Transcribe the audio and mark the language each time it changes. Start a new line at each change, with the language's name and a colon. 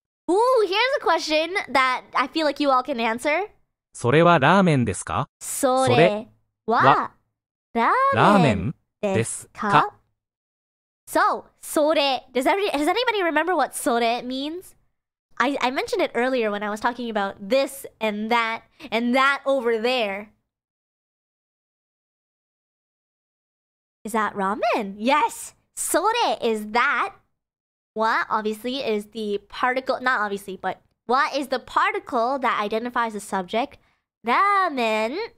English: Ooh, here's a question that I feel like you all can answer.
Japanese: それはラーメンですか? それはラーメンですか?
English: So, それ.Does anybody remember what それ means? I mentioned it earlier when I was talking about this and that over there. Is that ramen? Yes! それ is that. わ obviously is the particle, not obviously, but わ is the particle that identifies the subject. Ramen.